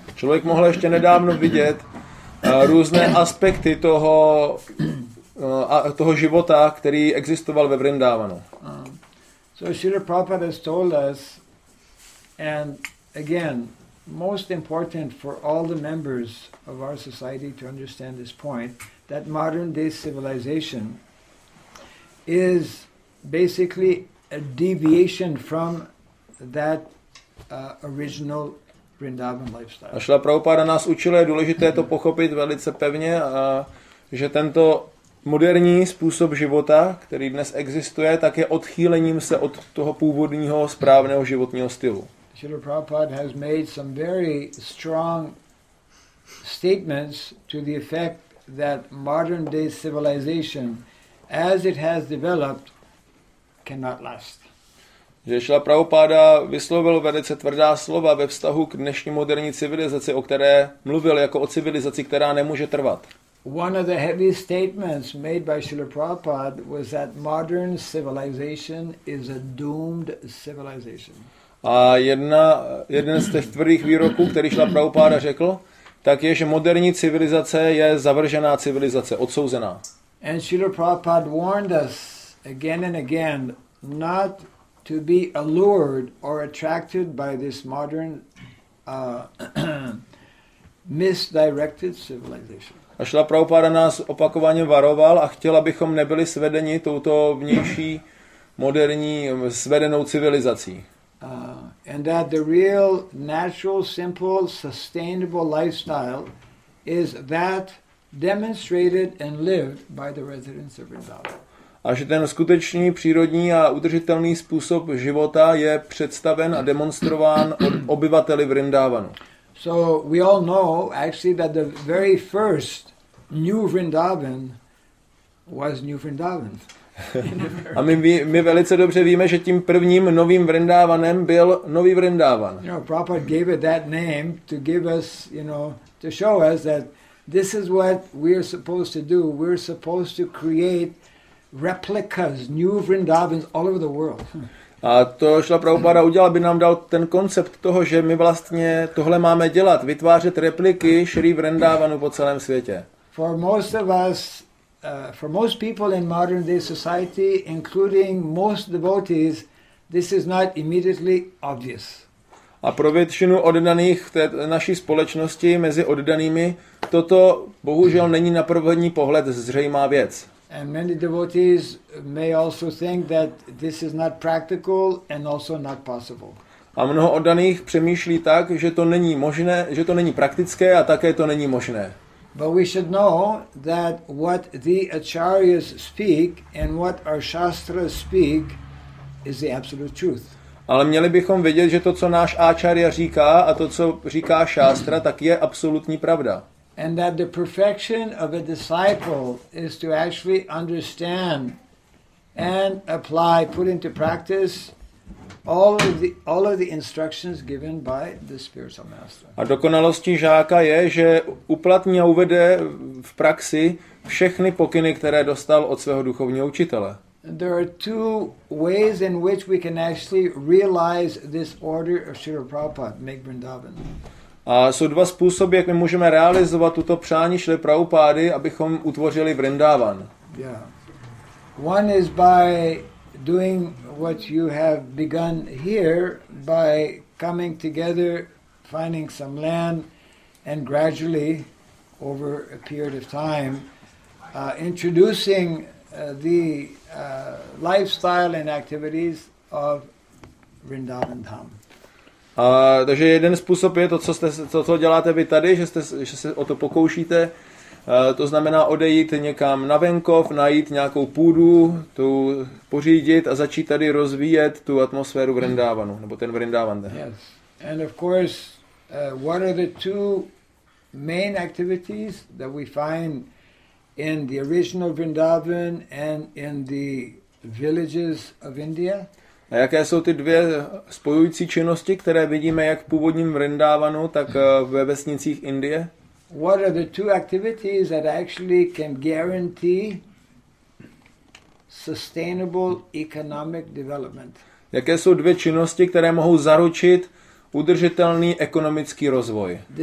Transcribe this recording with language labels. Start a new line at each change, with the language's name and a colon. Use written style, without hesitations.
Czech: Člověk mohl ještě nedávno vidět různé aspekty toho toho života, který existoval ve Vrindavanu.
English: So Srila Prabhupada has told us, and again, most important for all the members of our society to understand this point, that modern day civilization is basically a deviation from that original Vrindavan lifestyle.
Czech: A Srila Prabhupada nás učil, je důležité to pochopit velice pevně, a že tento moderní způsob života, který dnes existuje, tak je odchýlením se od toho původního správného životního stylu.
English: Srila Prabhupada has made some very strong statements to the effect that modern day civilization as it has developed cannot last.
Czech: Že Srila Prabhupada vyslovil velice tvrdá slova ve vztahu k dnešní moderní civilizaci, o které mluvil jako o civilizaci, která nemůže trvat.
English: One of the heavy statements made by Srila Prabhupada was that modern civilization is a doomed civilization.
Czech: A jeden z těch tvrdých výroků, který Srila Prabhupada řekl, tak je, že moderní civilizace je zavržená civilizace, odsouzená.
English: And Srila Prabhupada warned us again and again not to be allured or attracted by this modern misdirected civilization.
Czech: A Srila Prabhupada nás opakovaně varoval a chtěl, abychom nebyli svedeni touto vnější moderní svedenou civilizací.
English: And that the real natural simple sustainable lifestyle is that demonstrated and lived by the residents of Vrindavan.
Czech: A že ten skutečný přírodní a udržitelný způsob života je představen a demonstrován od obyvateli Vrindavanu.
English: So we all know actually that the very first new Vrindavan was new Vrindavan.
Czech: A my velice dobře víme, že tím prvním novým Vrindavanem byl nový Vrindavan.
English: You know, Prabhupada gave it that name to give us, you know, to show us that this is what we're supposed to do. We're supposed to create replicas, new Vrindavans all over the world.
Czech: A to Srila Prabhupada udělal, aby nám dal ten koncept toho, že my vlastně tohle máme dělat, vytvářet repliky Srí Vrindavanu po celém světě.
English: For most of us, for most people in modern day society, including most devotees, this is not immediately obvious.
Czech: A pro většinu oddaných naší společnosti mezi oddanými toto bohužel není na první pohled zřejmá věc.
English: And many devotees may also think that this is not practical and also not possible.
Czech: A mnoho oddaných přemýšlí tak, že to není možné, že to není praktické a také to není možné.
English: But we should know that what the acharyas speak and what our shastras speak is the absolute truth.
Czech: Ale měli bychom vědět, že to, co náš áčarya říká a to, co říká šástra, tak je absolutní pravda.
English: And that the perfection of a disciple is to actually understand and apply, put into practice all of the instructions given by the spiritual master.
Czech: A dokonalostí žáka je, že uplatní a uvede v praxi všechny pokyny, které dostal od svého duchovního učitele.
English: There are two ways in which we can actually realize this order of Srila Prabhupada, make Vrindavan.
Czech: A jsou dva způsoby, jak my můžeme realizovat tuto přání Šrily Prabhupády, abychom utvořili Vrindavan.
English: Yeah. One is by doing what you have begun here by coming together, finding some land, and gradually, over a period of time, introducing the lifestyle and activities of Vrindavan Dham.
Czech: Takže jeden způsob je to, co jste, co děláte vy tady, že se o to pokoušíte. To znamená odejít někam na venkov, najít nějakou půdu, tu pořídit a začít tady rozvíjet tu atmosféru Vrindavanu, nebo ten Vrindavan.
English: Yes. And of course, what are the two main activities that we find in the original Vrindavan and in the villages of India?
Czech: A jaké jsou ty dvě spojující činnosti, které vidíme jak v původním Vrindavanu, tak ve vesnicích Indie?
English: What are the two activities that actually can guarantee sustainable economic development?
Czech: Jaké jsou dvě činnosti, které mohou zaručit udržitelný ekonomický rozvoj?